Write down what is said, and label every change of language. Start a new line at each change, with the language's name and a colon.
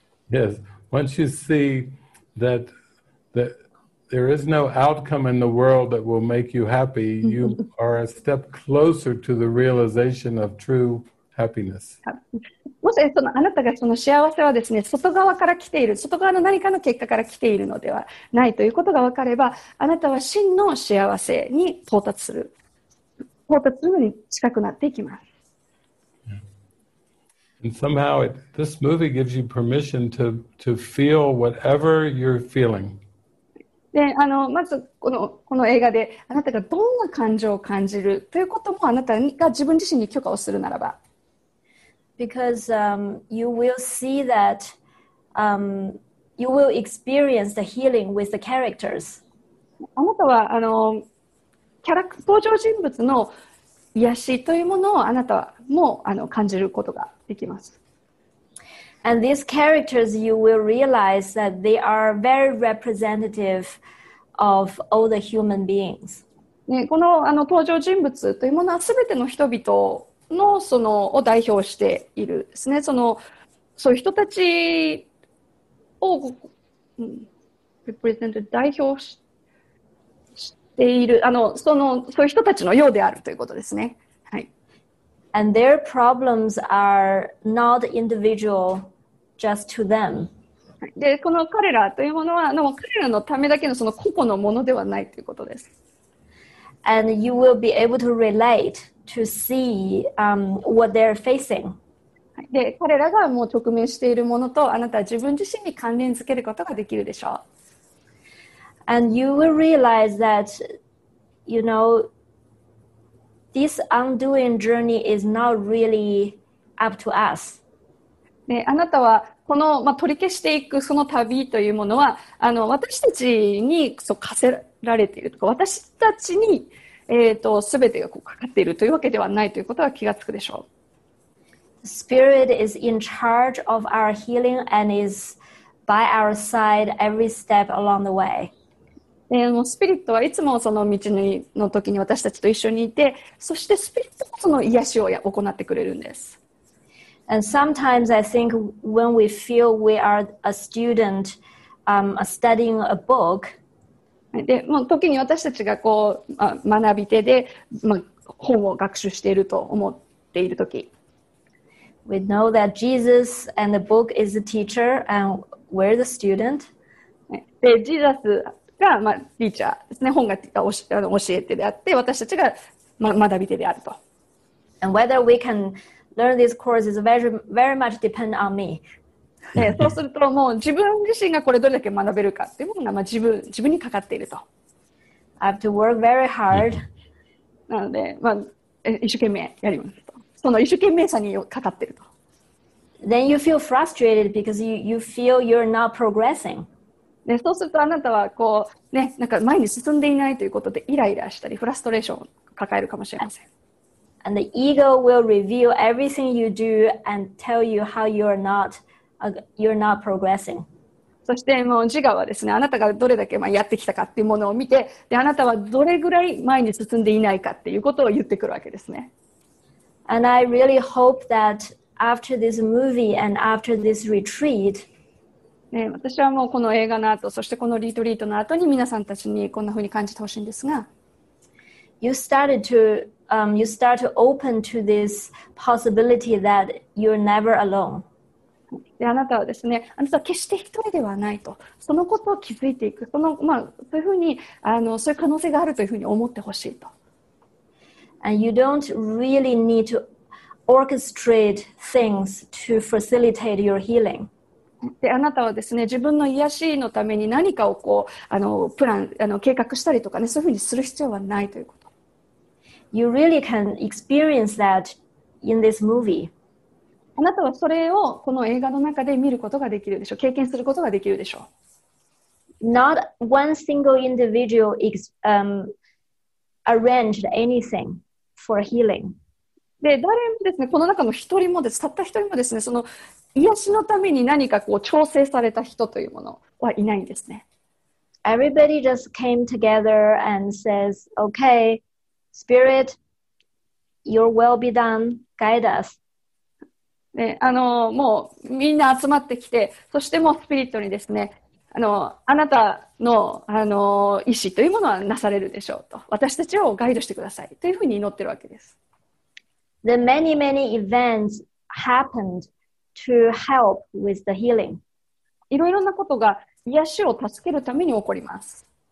English: Yes. Once you see that there is no outcome in the world that will make you happy. You are a step closer to the realization of true happiness.
Japanese: もしそのあなたがその幸せはですね、外側から来ている、外側の何かの結果から来ているのではないということが分かれば、あなたは真の幸せに到達する、到達するのに近くなっていきます。
English: And somehow it, this movie gives you permission to feel whatever you're feeling.
Japanese: で、あの、まずこの映画であなたがどんな感情を感じるということもあなたが自分自身に許可をするならば。
English: Because you will see that you will experience the healing with the characters.
Japanese: あなたはあのキャラク登場人物の癒しというものをあなたもあの感じることができます。
English: And these characters, you will realize that they are very representative of all the human beings.、
Japanese: ね、この、 あの登場人物というものは全ての人々のそのを代表しているですね。その、そういう人たちを、うん、代表して、ているあのそのそういう人たちのようであるということですね。はい。
English: And their problems are not individual just to them.
Japanese: で、この彼らというものは、でも彼らのためだけのその個々のものではないということです。
English: And you will be able to relate to see what they're facing.
Japanese: で、彼らがもう直面しているものとあなたは自分自身に関連づけることができるでしょう。
English: And you will realize that, you know, this undoing journey is not really up to us.
Japanese: ね、あなたはこの、まあ、取り消していくその旅というものは、あの、私たちにそう課せられているとか、私たちに、全てがこうかかっているというわけではないということは気がつくでしょう。
English: The Spirit is in charge of our healing and is by our side every step along the way.
Japanese: もうスピリットはいつもその道のりの時に私たちと一緒にいて、そしてスピリットもその癒しを行ってくれるんです。
English: And sometimes I think when we feel we are a student, studying a book,
Japanese: でもう時に私たちがこう、まあ、学びてで、まあ、本を学習していると思っている時、
English: we know that Jesus and the book is the teacher and we're the student.
Japanese: で、ジーザスが、まあ、リーチャーですね、本が教えてであって、私たちが、ま、学び手であると。
English: And whether we can learn this course is very, very much depend on me.
Japanese: そうすると、もう自分自身がこれどれだけ学べるかっていうものが、まあ、自分にかかっていると。
English: I have to work very hard.
Japanese: なので、まあ、一生懸命やりますと。その一生懸命さにかかっていると。
English: Then you feel frustrated because you feel you're not progressing.
Japanese: ね、そうするとあなたはこう、ね、なんか前に進んでいないということでイライラしたりフラストレーションを抱えるかもしれません。
English: And the ego will reveal everything you do and tell you how you're not progressing.
Japanese: そしてもう自我はですね、あなたがどれだけやってきたかっていうものを見て、で、あなたはどれぐらい前に進んでいないかっていうことを言ってくるわけですね。
English: And I really hope that after this movie and after this retreat,
Japanese: ね、私はもうこの映画の後、そしてこのリトリートの後に皆さんたちにこんな風に感じてほしいんですが、
English: you start to open to this possibility that you're never alone。
Japanese: で、あなたはですね、あなたは決して一人ではないと、そのことを気づいていく、その、まあ、そういう風に、あの、そういう可能性があるというふうに思ってほしいと。
English: And you don't really need to orchestrate things to facilitate your healing.
Japanese: で、あなたはですね、自分の癒しのために何かをこう、あの、プラン、あの、計画したりとかね、そういうふうにする必要はないということ。
English: You really can experience that in this movie.
Japanese: あなたはそれをこの映画の中で見ることができるでしょう。経験することができるでしょう。
English: Not one single individual arranged anything for healing.
Japanese: で、誰もですね、この中の一人もです、たった一人もですね、その癒しのために何かこう調整された人というものはいないんですね。
English: Everybody just came together and says, okay, spirit, your will be done, guide us.
Japanese: ね、あの、もうみんな集まってきて、そしてもうスピリットにですね、あなたの、意思というものはなされるでしょうと、私たちをガイドしてくださいというふうに祈っているわけです。
English: The many, many events happened to help with the healing.
Japanese: いろいろなことが癒しを助けるために起こります。